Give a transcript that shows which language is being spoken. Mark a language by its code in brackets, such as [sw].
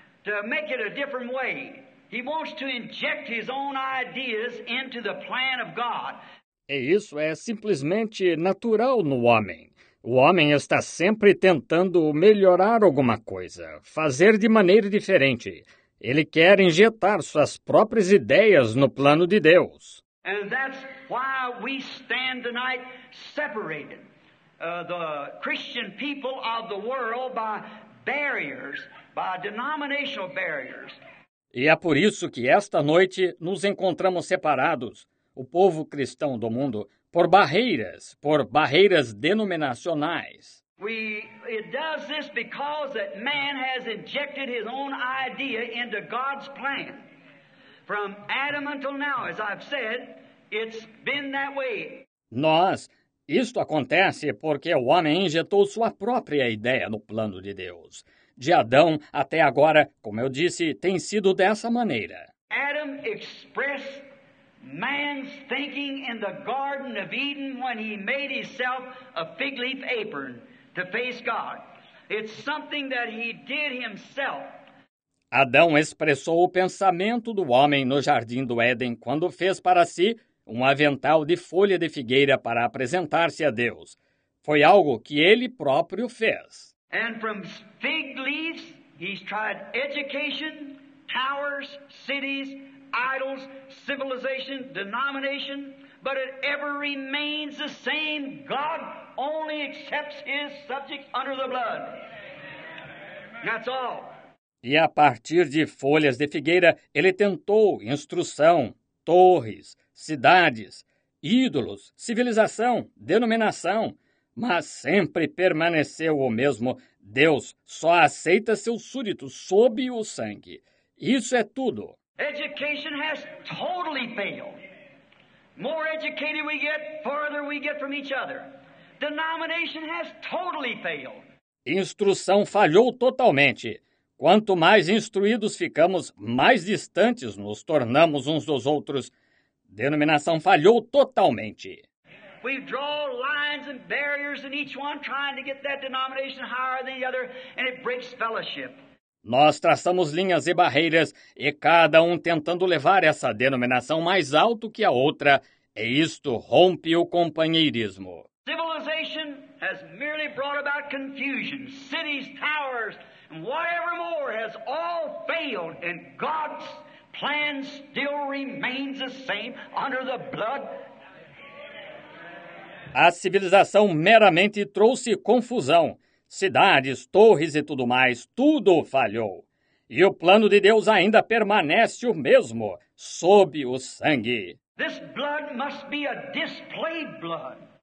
[en] To make it a different way. He wants to inject his own ideas into the plan of God. [pt] E isso é simplesmente natural no homem. O homem está sempre tentando melhorar alguma coisa, fazer de maneira diferente. Ele quer injetar suas próprias ideias no plano de Deus. [en] And that's why we stand tonight separated. The Christian people of the world by barriers. By denominational barriers. [pt] E é por isso que esta noite nos encontramos separados, o povo cristão do mundo, por barreiras denominacionais. [en] It does this because that man has injected his own idea into God's plan. From Adam until now, as I've said, it's been that way. [pt] Isto acontece porque o homem injetou sua própria ideia no plano de Deus. de Adão até agora, como eu disse, tem sido dessa maneira. [en] Adam expressed man's thinking in the Garden of Eden when he made himself a fig leaf apron to face God. It's something that he did himself. [pt] Adão expressou o pensamento do homem no Jardim do Éden quando fez para si um avental de folha de figueira para apresentar-se a Deus. Foi algo que ele próprio fez. [en] And from fig leaves, he's tried education, towers, cities, idols, civilization, denomination, but it ever remains the same. God only accepts his subjects under the blood. That's all. [pt] E a partir de folhas de figueira, ele tentou instrução, torres, cidades, ídolos, civilização, denominação, mas sempre permaneceu o mesmo. Deus só aceita seus súditos sob o sangue. Isso é tudo. [en] Education has totally failed. More educated we get, farther we get from each other. Denomination has totally failed. [pt] Instrução falhou totalmente. Quanto mais instruídos ficamos, mais distantes nos tornamos uns dos outros. Denominação falhou totalmente. [en] We've drawn lines and barriers in each one trying to get that denomination higher than the other, and it breaks fellowship. [pt] Nós traçamos linhas e barreiras, e cada um tentando levar essa denominação mais alto que a outra, e isto rompe o companheirismo. [en] Civilization has merely brought about confusion. Cities, towers, and whatever more has all failed, and God's plan still remains the same under the blood. [pt] A civilização meramente trouxe confusão. Cidades, torres e tudo mais, tudo falhou. E o plano de Deus ainda permanece o mesmo, sob o sangue. [en] This blood must be a displayed blood.